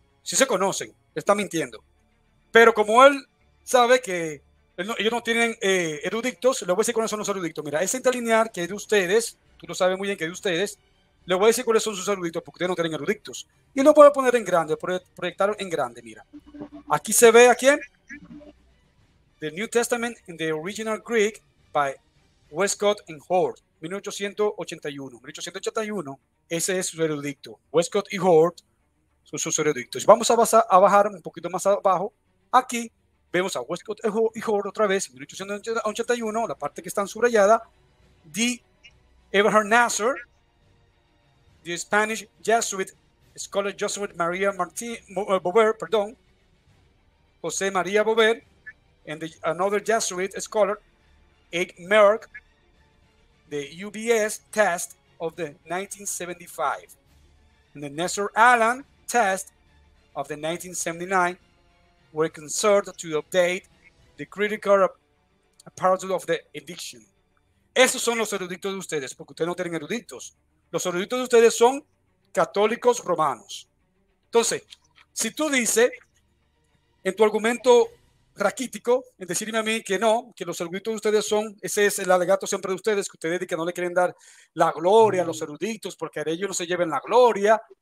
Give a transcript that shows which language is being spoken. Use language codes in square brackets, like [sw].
[es] Sí se conocen, está mintiendo. Pero como él sabe que ellos no tienen eruditos, le voy a decir cuáles son los eruditos. Mira, ese interlinear que es de ustedes, tú lo sabes muy bien que es de ustedes, le voy a decir cuáles son sus eruditos, porque ustedes no tienen eruditos. Y lo puedo poner en grande, proyectar en grande, mira. Aquí se ve a quién. [en] The New Testament in the Original Greek by Westcott and Hort, 1881. [es] 1881, ese es su erudito. Westcott y Hort son sus eruditos. Vamos a bajar un poquito más abajo. Aquí vemos a Westcott y Hort otra vez, 1881, la parte que está subrayada. D. [en] Eberhard Nasser, the Spanish Jesuit, scholar Jesuit Maria Martín Bober, perdón, José María Bober, and the, another Jesuit scholar, Egg Merck, the UBS test of the 1975. And the Nasser Allen test of the 1979 were concerned to update the critical apparatus of the edition. [es] Esos son los eruditos de ustedes, porque ustedes no tienen eruditos. Los eruditos de ustedes son católicos romanos. Entonces, si tú dices en tu argumento raquítico, en decirme a mí que no, que los eruditos de ustedes son, ese es el alegato siempre de ustedes, que ustedes que no le quieren dar la gloria a los eruditos porque a ellos no se lleven la gloria.